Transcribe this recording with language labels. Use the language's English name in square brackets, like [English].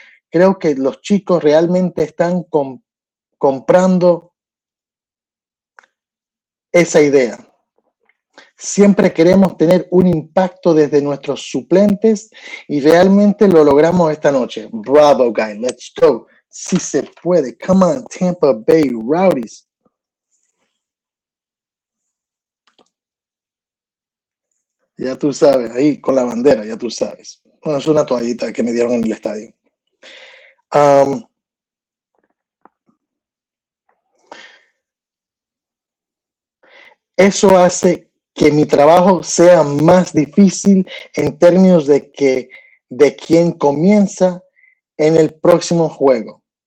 [Spanish] Creo que los chicos realmente están comprando esa idea. Siempre queremos tener un impacto desde nuestros suplentes y realmente lo logramos esta noche. [English] Bravo, guy. Let's go. [Spanish] Si se puede. [English] Come on, Tampa Bay Rowdies. [Spanish] Ya tú sabes, ahí con la bandera, ya tú sabes. Bueno, es una toallita que me dieron en el estadio. Eso hace que mi trabajo sea más difícil en términos de quién comienza en el próximo juego.